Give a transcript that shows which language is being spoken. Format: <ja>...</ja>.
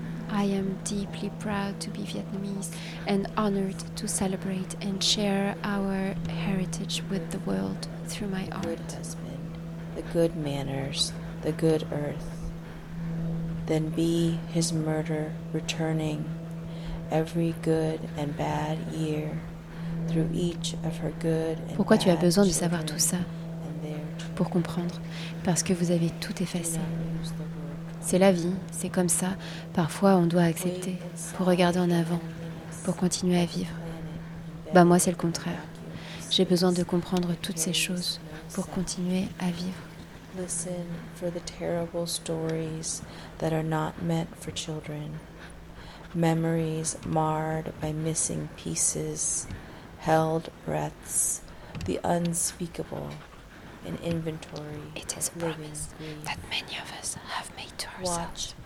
<en>I am deeply proud to be Vietnamese and honored to celebrate and share our heritage with the world through my art. Good husband, the good manners, the good earth. Then be his murder returning every good and bad year through each of her good and bad.</en> <fr>Pourquoi tu as besoin de savoir tout ça? Pour comprendre, parce que vous avez tout effacé. C'est la vie, c'est comme ça. Parfois, on doit accepter pour regarder en avant, pour continuer à vivre. Bah, moi, c'est le contraire. J'ai besoin de comprendre toutes ces choses pour continuer à vivre.</fr> <en>Listen for the terrible stories that are not meant for children. Memories marred by missing pieces, held breaths, the unspeakable. An inventory. It is a promise that many of us have made to ourselves.</en>